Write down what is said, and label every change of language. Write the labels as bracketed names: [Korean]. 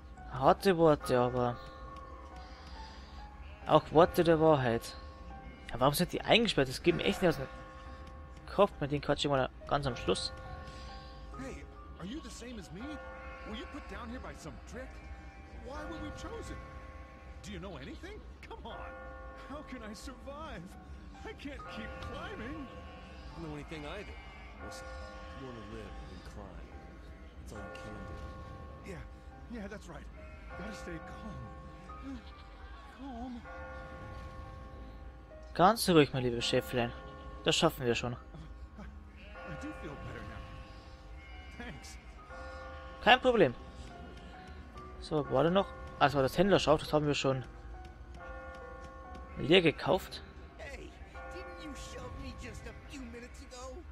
[German] Harte Worte, aber auch Worte der Wahrheit. Ja, warum sind die eingesperrt? Das geht mir echt nicht aus dem Kopf. Mit dem Quatsch immer ganz am Schluss. [English] Are you the same as me? Were you put down here by some trick? Why were we chosen? Do you know anything? Come on! How can I survive? I can't keep climbing! I don't know anything either. Listen, if you want to live, then climb. That's all you can do. Yeah, yeah, that's right. Gotta stay calm. Calm. [German] Ganz ruhig, mein lieber Schäflein. Das schaffen wir schon. [English] I do feel better now. Thanks. [German] Kein Problem. So, was war denn noch? Also das Händlerschaf, das haben wir schon leer gekauft. [English] Hey, didn't you shove me just a few minutes ago?